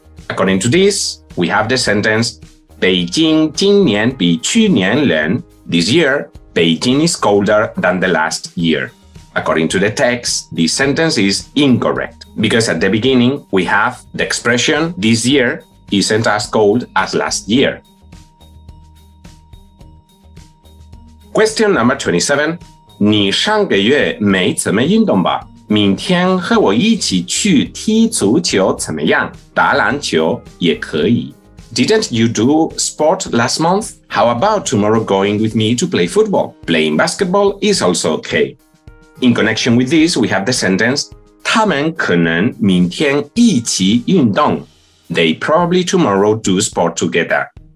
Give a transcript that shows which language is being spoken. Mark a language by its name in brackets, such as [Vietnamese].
[English] According to this, we have the sentence [Chinese] 北京今年比去年冷. [English] This year, Beijing is colder than the last year. According to the text, this sentence is incorrect because at the beginning, we have the expression this year isn't as cold as last year. Question number 27. [Chinese] 你上个月没怎么运动吧?明天和我一起去踢足球怎么样? 打篮球也可以。 [English] Didn't you do sport last month? How about tomorrow going with me to play football? Playing basketball is also okay. In connection with this, we have the sentence [Chinese] 他们可能明天一起运动. [English] They probably tomorrow do sport together.